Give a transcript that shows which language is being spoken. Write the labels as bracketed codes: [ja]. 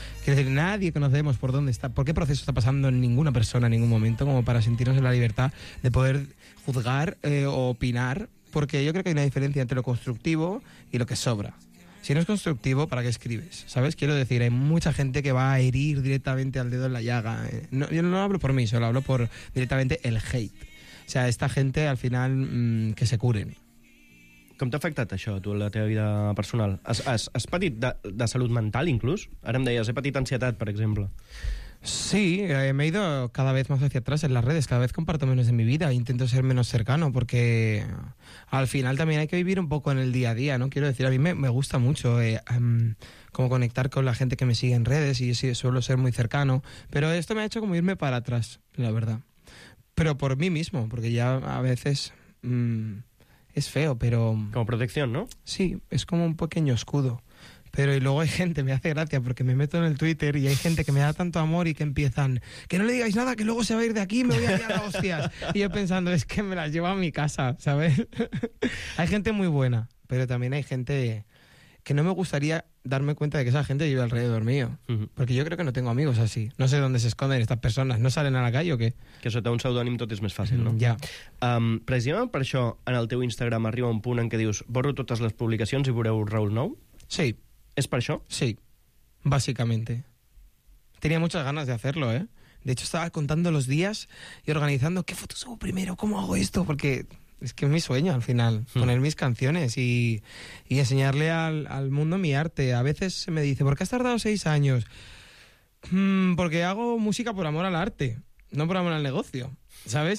[es] Quiero decir, nadie conocemos por dónde está, por qué proceso está pasando en ninguna persona en ningún momento como para sentirnos en la libertad de poder juzgar o opinar, porque yo creo que hay una diferencia entre lo constructivo y lo que sobra. Si no es constructivo, ¿para qué escribes? ¿Sabes? Quiero decir, hay mucha gente que va a herir directamente al dedo en la llaga. No, yo no hablo por mí, solo hablo por directamente el hate. O sea, esta gente, al final, que se curen. [ca] Com t'ha afectat això, tu, la teva vida personal? Has patit de salut mental, inclús? Ara em deies, he patit ansietat, per exemple. [es] Sí, me he ido cada vez más hacia atrás en las redes, cada vez comparto menos de mi vida, intento ser menos cercano porque al final también hay que vivir un poco en el día a día, ¿no? Quiero decir, a mí me gusta mucho como conectar con la gente que me sigue en redes y yo suelo ser muy cercano, pero esto me ha hecho como irme para atrás, la verdad. Pero por mí mismo, porque ya a veces es feo, pero... Como protección, ¿no? Sí, es como un pequeño escudo. Pero y luego hay gente, me hace gracia porque me meto en el Twitter y hay gente que me da tanto amor y que empiezan, que no le digáis nada, que luego se va a ir de aquí, me voy a liar a hostias. Y yo pensando, es que me las llevo a mi casa, ¿sabes? Hay gente muy buena, pero también hay gente que no me gustaría darme cuenta de que esa gente vive alrededor mío. Porque yo creo que no tengo amigos así. No sé dónde se esconden estas personas. ¿No salen a la calle o qué? [ca] Que sota un pseudònim tot és més fàcil, no? Ja. Precisament per això, en el teu Instagram arriba un punt en què dius, borro totes les publicacions i veureu Raül Nou? Sí. [es] ¿Es para eso? Sí, básicamente. Tenía muchas ganas de hacerlo, ¿eh? De hecho, estaba contando los días y organizando qué foto subo primero, cómo hago esto, porque es que es mi sueño al final, poner mis canciones y enseñarle al mundo mi arte. A veces se me dice, ¿por qué has tardado 6 años? Porque hago música por amor al arte, no por amor al negocio. ¿Sabes?